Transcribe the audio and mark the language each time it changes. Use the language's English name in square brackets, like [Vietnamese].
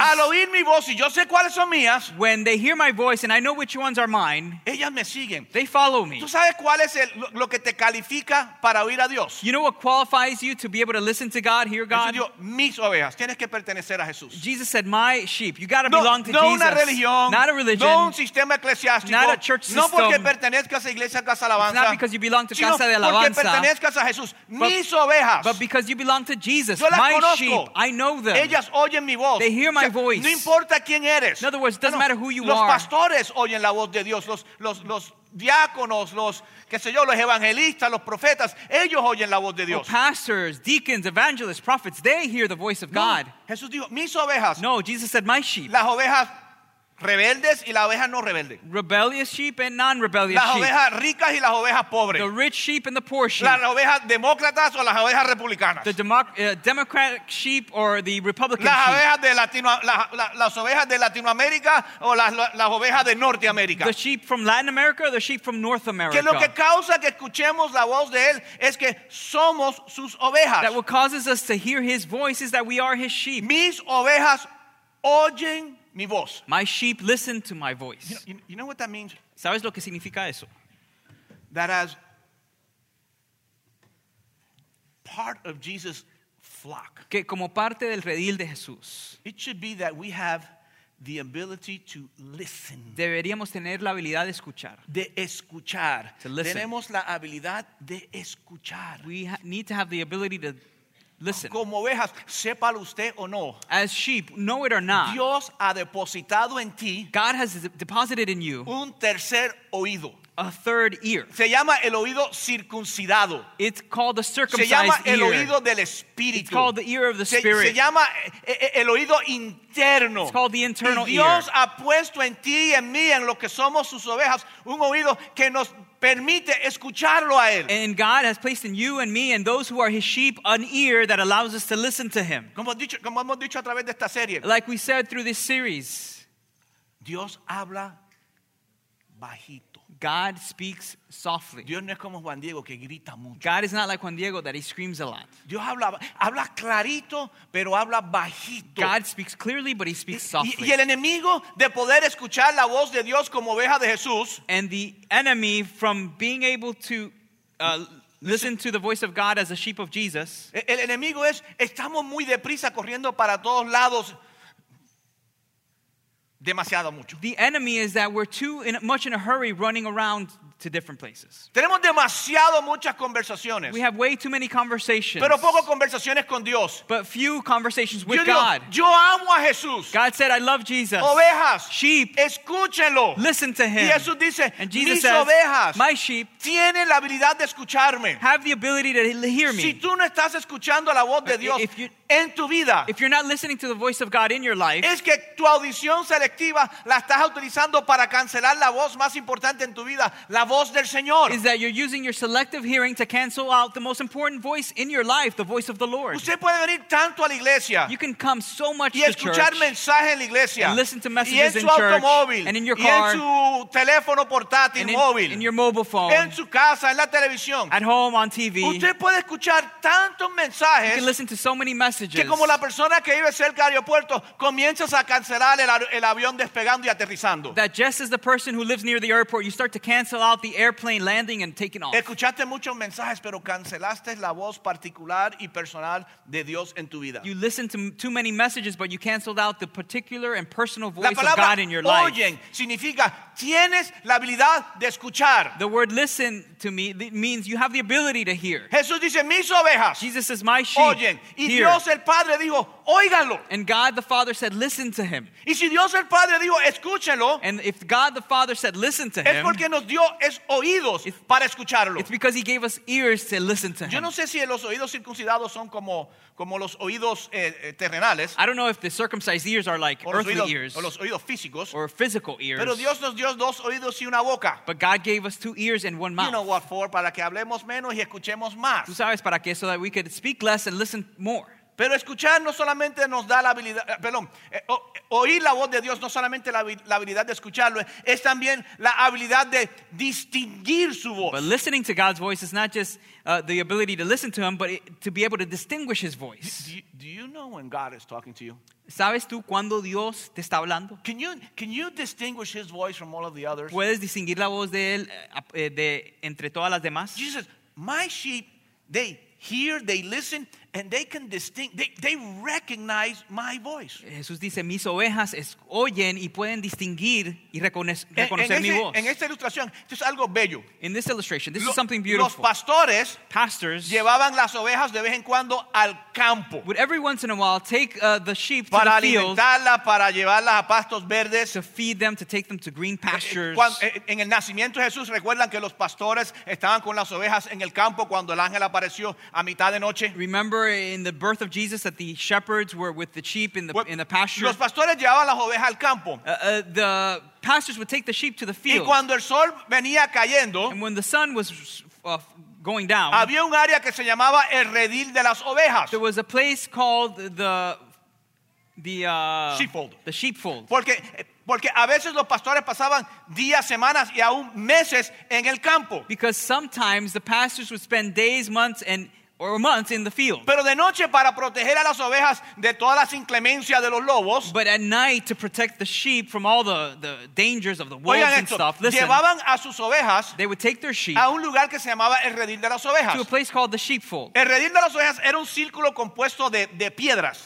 [Spanish] al oír mi voz y yo sé cuáles son mías. [English] When they hear my voice and I know which ones are mine, [Spanish] ellas me siguen. [English] They follow me. [Spanish] ¿Tú sabes cuál es lo que te califica para oír a Dios? [English] You know what qualifies you to be able to listen to God, hear God? [Spanish] Jesús dijo, mis ovejas. Tienes que pertenecer a Jesús. [English] Jesus said, my sheep. You got to [Spanish] no, [English] belong to [Spanish] no [English] Jesus. [Spanish] Una religión. religión, [English] not a religion, [Spanish] no un sistema eclesiástico, [English] not a church system, [Spanish] no porque pertenezcas a iglesia Casa Alabanza, [English] it's not because you belong to Casa de Alabanza, [Spanish] porque pertenezcas a Jesús, mis ovejas, [English] but because you belong to Jesus, [Spanish] yo las [English] my [Spanish] conozco, [English] sheep, I know them, [Spanish] ellas oyen mi voz, [English] they hear my voice, [Spanish] no importa quién eres, [English] in other words, it doesn't matter who you [Spanish] los [English] are, [Spanish] los pastores oyen la voz de Dios, los diáconos, los qué sé yo, los evangelistas, los profetas, ellos oyen la voz de Dios. [English] Well, pastors, deacons, evangelists, prophets, they hear the voice of [Spanish] no, [English] God. [Spanish] Jesús dijo, mis ovejas. [English] No, Jesus said, my sheep. [Spanish] Las ovejas rebeldes y las ovejas no rebeldes. [English] Rebellious sheep and non-rebellious sheep. [Spanish] Las ovejas ricas y las ovejas pobres. [English] The rich sheep and the poor sheep. [Spanish] Las ovejas demócratas o las ovejas republicanas. [English] The democratic sheep or the Republican [Spanish] las [English] sheep. [Spanish] Ovejas de las ovejas de Latinoamérica o las ovejas de Norteamérica. [English] The sheep from Latin America or the sheep from North America. [Spanish] Que lo que causa que escuchemos la voz de él es que somos sus ovejas. [English] That what causes us to hear his voice is that we are his sheep. [Spanish] Mis ovejas oyen mi voz. [English] My sheep listen to my voice. You know what that means? [Spanish] ¿Sabes lo que significa eso? [English] That as part of Jesus' flock. [Spanish] Que como parte del redil de Jesús. [English] It should be that we have the ability to listen. [Spanish] Deberíamos tener la habilidad de escuchar. De escuchar. [English] To listen. [Spanish] Tenemos la habilidad de escuchar. [English] We need to have the ability to listen. [Spanish] Como ovejas, sépalo usted o no. [English] As sheep, know it or not. [Spanish] Dios ha depositado en ti. [English] God has deposited in you. [Spanish] Un tercer oído. [English] A third ear. [Spanish] Se llama el oído circuncidado. [English] It's called the circumcised ear. [Spanish] Se llama el oído del espíritu. [English] It's called the ear of the spirit. [Spanish] Se llama el oído interno. [English] It's called the internal ear. [Spanish] Dios ha puesto en ti, en mí, en lo que somos sus ovejas, un oído que nos permite escucharlo a él. [English] And God has placed in you and me and those who are his sheep an ear that allows us to listen to him. [Spanish] Como hemos dicho a través de esta serie. [English] Like we said through this series, [Spanish] Dios habla bajito. [English] God speaks softly. [Spanish] Dios no es como Juan Diego, que grita mucho. [English] God is not like Juan Diego that he screams a lot. [Spanish] Dios habla clarito, pero habla bajito. [English] God speaks clearly, but he speaks softly. [Spanish] Y el enemigo de poder escuchar la voz de Dios como oveja de Jesús. [English] And the enemy from being able to listen to the voice of God as a sheep of Jesus. [Spanish] El enemigo es, estamos muy deprisa corriendo para todos lados. Demasiado mucho. [English] The enemy is that we're too much in a hurry running around to different places. [Spanish] Tenemos demasiado muchas conversaciones. [English] We have way too many conversations. [Spanish] Pero poco conversaciones con Dios. [English] But few conversations with [Spanish] yo digo, [English] God. [Spanish] Yo amo a Jesús. [English] God said, I love Jesus. [Spanish] Ovejas. [English] Sheep. [Spanish] Escúchenlo. [English] Listen to him. [Spanish] Y Jesús dice, [English] and Jesus [Spanish] mis [English] says, [Spanish] ovejas, [English] my sheep, [Spanish] tienen la habilidad de escucharme. [English] Have the ability to hear me. [Spanish] Si tú no estás escuchando la voz de Dios en tu vida, [English] if you're not listening to the voice of God in your life, [Spanish] es que tu audición selectiva la estás utilizando para cancelar la voz más importante en tu vida, la voz del Señor. [English] Is that you're using your selective hearing to cancel out the most important voice in your life, the voice of the Lord. [Spanish] Usted puede venir tanto a la iglesia, [English] you can come so much [Spanish] y escuchar [English] to church [Spanish] mensaje en la iglesia, [English] and listen to messages [Spanish] y en su [English] in [Spanish] automóvil, [English] church, and in your car, [Spanish] y en su teléfono portátil, [English] and [Spanish] móvil, [English] in your mobile phone, [Spanish] en su casa, en la televisión, [English] at home, on TV. [Spanish] Usted puede escuchar tantos mensajes, [English] you can listen to so many messages, [Spanish] que como la persona que vive cerca del aeropuerto comienzas a cancelar el avión despegando y aterrizando. [English] That just as the person who lives near the airport, you start to cancel out the airplane landing and taking off. [Spanish] Escuchaste muchos mensajes, pero cancelaste la voz particular y personal de Dios en tu vida. [English] You listen to too many messages, but you canceled out the particular and personal voice [Spanish] la palabra [English] of God in your [Spanish] oyen [English] life. [Spanish] Oyen significa tienes la habilidad de escuchar. [English] The word listen to me means you have the ability to hear. [Spanish] Jesús dice mis ovejas. [English] Jesus says my sheep. [Spanish] Oyen y [English] hear. [Spanish] Dios el Padre dijo, óiganlo. [English] And God the Father said, listen to him. [Spanish] Y si Dios el Padre dijo, escúchenlo. [English] And if God the Father said, listen to [Spanish] es [English] him. [Spanish] Porque nos dio es oídos [English] it's, [Spanish] para escucharlo. [English] It's because he gave us ears to listen to [Spanish] yo [English] him. [Spanish] No sé si los oídos circuncidados son como los oídos terrenales. [English] I don't know if the circumcised ears are like earthly [Spanish] oídos, [English] ears. [Spanish] O los oídos físicos. [English] Or physical ears. [Spanish] Pero Dios nos dio dos oídos y una boca. [English] But God gave us two ears and one mouth. You know what for? [Spanish] Para que hablemos menos y escuchemos más. Tú sabes para qué? [English] So that we could speak less and listen more. [Spanish] Pero escuchar no solamente nos da la habilidad, perdón, oír la voz de Dios no solamente la habilidad de escucharlo, es también la habilidad de distinguir su voz. [English] But listening to God's voice is not just the ability to listen to him, but to be able to distinguish his voice. Do you know when God is talking to you? [Spanish] ¿Sabes tú cuando Dios te está hablando? [English] Can you distinguish his voice from all of the others? [Spanish] ¿Puedes distinguir la voz de él entre todas las demás? [English] Jesus, my sheep, they hear, they listen, and they can distinct, they recognize my voice. [Spanish] Jesús dice, mis ovejas oyen y pueden distinguir y reconocer mi voz. En esta ilustración, esto es algo bello. [English] In this illustration, this is something beautiful. [Spanish] Los pastores, [English] pastors, [Spanish] llevaban las ovejas de vez en cuando al campo. [English] Would every once in a while take the sheep to [Spanish] para [English] the fields. [Spanish] Para alimentarlas, para llevarlas a pastos verdes. [English] To feed them, to take them to green pastures. [Spanish] En el nacimiento de Jesús, recuerdan que los pastores estaban con las ovejas en el campo cuando el ángel apareció a mitad de noche. [English] Remember in the birth of Jesus that the shepherds were with the sheep in the pasture. [Spanish] Los pastores llevaban las ovejas al campo. [English] The pastors would take the sheep to the field. [Spanish] Y cuando el sol venía cayendo, [English] and when the sun was going down, [Spanish] había un área que se llamaba el redil de las ovejas. [English] There was a place called the sheepfold. The sheepfold. [Spanish] Porque a veces los pastores pasaban días, semanas y aún meses en el campo. [English] Because sometimes the pastors would spend days, months, and or months in the field. [Spanish] Pero de noche para proteger a las ovejas de todas las inclemencias de los lobos. [English] But at night to protect the sheep from all the dangers of the wolves and stuff. Listen, [Spanish] llevaban a sus ovejas. [English] They would take their sheep [Spanish] a un lugar que se llamaba el redil de las ovejas. [English] To a place called the sheepfold. [Spanish] El redil de las ovejas era un círculo compuesto de piedras.